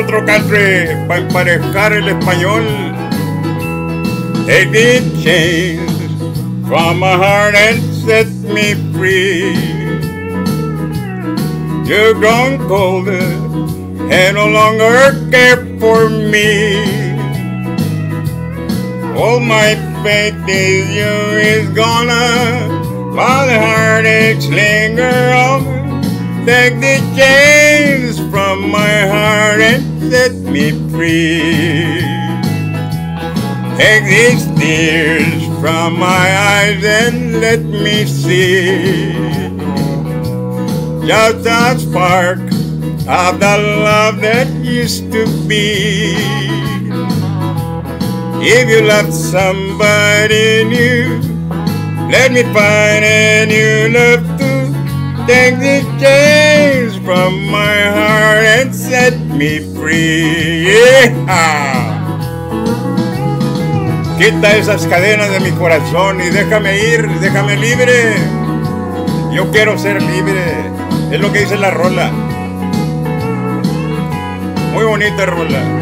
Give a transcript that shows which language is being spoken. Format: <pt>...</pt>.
<es>Otro country para emparejar el español.</es> <en>They did change from my heart and set me free. You've grown colder and no longer care for me. All my faith in you is gonna, while the heartaches linger on. Take the chains from my heart and set me free. Take these tears from my eyes and let me see. Just a spark of the love that used to be. If you love somebody new, let me find a new love too. Take the chains from my heart and set me free. Yeah.</en> <es>Quita esas cadenas de mi corazón y déjame ir, déjame libre. Yo quiero ser libre. Es lo que dice la rola. Muy bonita rola.</es>